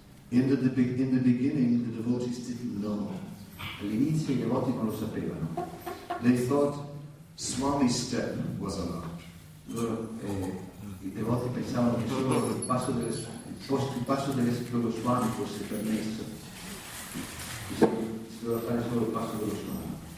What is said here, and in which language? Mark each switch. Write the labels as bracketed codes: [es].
[en] In the beginning, the devotees didn't know. [it] All'inizio i devoti non lo sapevano. [en] They thought Swami's step was allowed. [it] I devoti pensavano che solo il passo dello Swami fosse permesso. Si doveva fare solo il passo dello Swami.